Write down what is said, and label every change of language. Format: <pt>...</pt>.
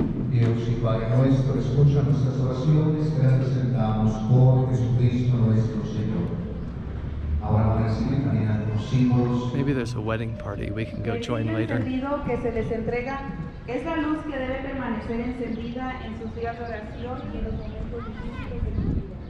<es>Dios y Padre nuestro, escucha nuestras oraciones que presentamos por Jesucristo nuestro Señor. Ahora recibe también a los símbolos.</es> <en>Maybe there's a wedding party we can go join later.</en> <es>El sentido que se les entrega es la luz que debe permanecer encendida en sus días de oración y en los momentos difíciles.</es>